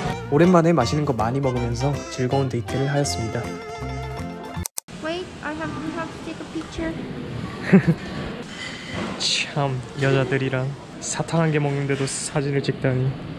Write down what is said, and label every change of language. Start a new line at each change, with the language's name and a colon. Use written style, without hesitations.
Korean: 오랜만에 맛있는 거 많이 먹으면서 즐거운 데이트를 하였습니다.
English: Wait, we have to take a picture.
Korean: 참 여자들이랑 사탕 한 개 먹는데도 사진을 찍다니.